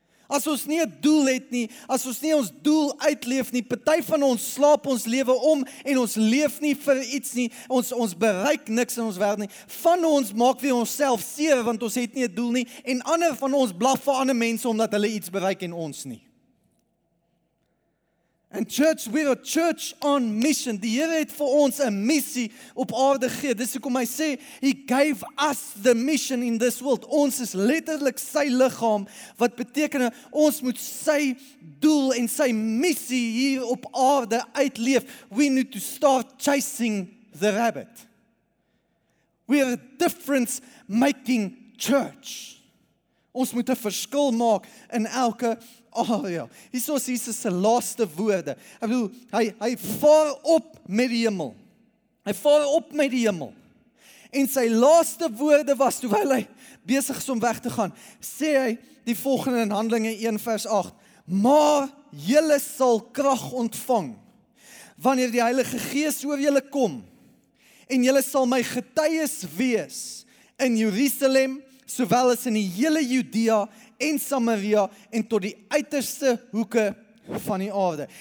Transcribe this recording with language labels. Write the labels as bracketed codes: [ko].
[af] As ons nie 'n doel het nie, as ons nie ons doel uitleef nie, party van ons slaap ons lewe om en ons leef nie vir iets nie, ons bereik niks in ons wêreld nie. Van ons maak wie ons self seer, want ons het nie 'n doel nie, en ander van ons blaf vir ander mense omdat hulle iets bereik en ons nie. [en] And church, we are a church on mission. [af] Die Here het vir ons 'n missie op aarde gegee. Dis hoekom hy sê, [en] he gave us the mission in this world. [af] Ons is letterlik sy liggaam, wat beteken, ons moet sy doel en sy missie hier op aarde uitleef. [en] We need to start chasing the rabbit. We are a difference making church. [af] Ons moet 'n verskil maak in elke area. Hier is Jesus se laaste woorde. Ek bedoel, hy vaar op met die hemel. Hy vaar op met die hemel. En sy laaste woorde was, terwyl hy besig is om weg te gaan, sê hy die volgende in Handelinge 1 vers 8, Maar julle sal krag ontvang, wanneer die Heilige Gees oor julle kom, en julle sal my getuies wees in Jerusalem, sowel as in die hele Judea en Samaria en tot die uiterste hoeke van die aarde.